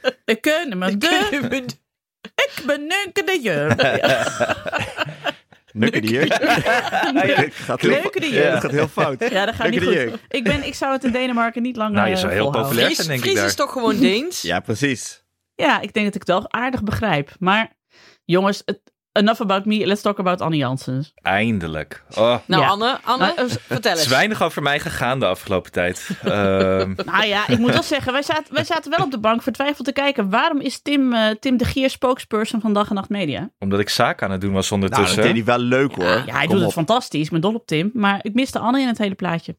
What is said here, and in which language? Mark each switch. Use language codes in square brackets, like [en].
[nl] Ik kun iemand duur. Ik ben Nunke de Jur. Nunke de Jur? Nunke de Jur. Dat gaat heel fout. Ja, dat gaat niet goed. Ik zou het in Denemarken niet langer Nou, je zou heel populair zijn, denk ik. Fries is toch gewoon Deens? Ja, precies. Ja, ik denk dat ik het wel aardig begrijp. Maar jongens, [en] enough about me. Let's talk about Anne Janssens. [nl] Eindelijk. Oh. Nou, ja. Anne, vertel eens. Het is weinig over mij gegaan de afgelopen tijd. Nou ja, ik moet wel zeggen. Wij zaten wel op de bank vertwijfeld te kijken. Waarom is Tim de Gier spokesperson van Dag en Nacht Media? Omdat ik zaken aan het doen was ondertussen. Nou, dat deed hij wel leuk, hoor. Ja, hij doet het fantastisch. Ik ben dol op Tim. Maar ik miste Anne in het hele plaatje.